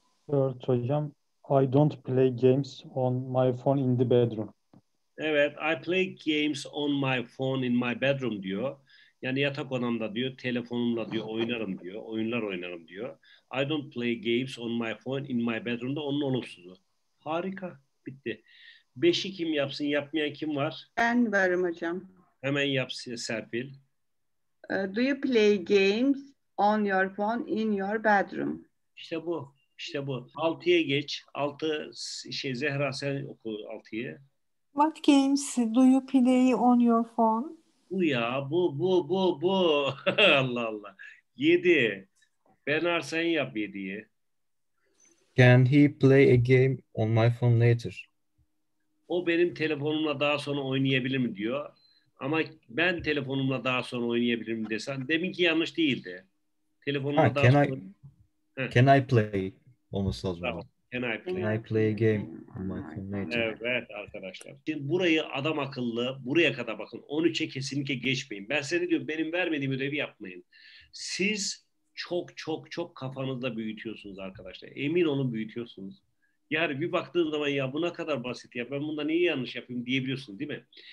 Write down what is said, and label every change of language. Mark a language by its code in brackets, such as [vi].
[tr] Dört hocam. [en] I don't play games on my phone in the bedroom. [tr] Evet, [en] I play games on my phone in my bedroom diyor. [tr] Yani yatak odamda diyor, telefonumla diyor oynarım diyor, oyunlar oynarım diyor. [en] I don't play games on my phone in my bedroom'da [tr] onun olumsuzu. Harika, bitti. Beşi kim yapsın, yapmayan kim var? Ben varım hocam. Hemen yapsın Serpil. [en] Do you play games on your phone in your bedroom? [tr] İşte bu, işte bu. Altıya geç. Altı, şey Zehra sen oku altıyı. [en] What games do you play on your phone? [tr] Bu ya, bu. Allah Allah. Yedi. Ben Arsene yap yediyi. [en] Can he play a game on my phone later? [tr] O benim telefonumla daha sonra oynayabilir mi diyor. Ama ben telefonumla daha sonra oynayabilir mi desen. Deminki yanlış değildi. Telefonumla daha [en] can [tr] sonra. [en] Can I play? [tr] Olması lazım. Tamam. [en] Can I play a game on my phone later? [tr] Evet arkadaşlar. Şimdi burayı adam akıllı, buraya kadar bakın. 13'e kesinlikle geçmeyin. Ben size diyorum, benim vermediğim ödevi yapmayın. Siz çok çok çok kafanızda büyütüyorsunuz arkadaşlar. Emin olun büyütüyorsunuz. Yani bir baktığın zaman ya bu ne kadar basit ya, ben bunda niye yanlış yapayım diyebiliyorsun değil mi?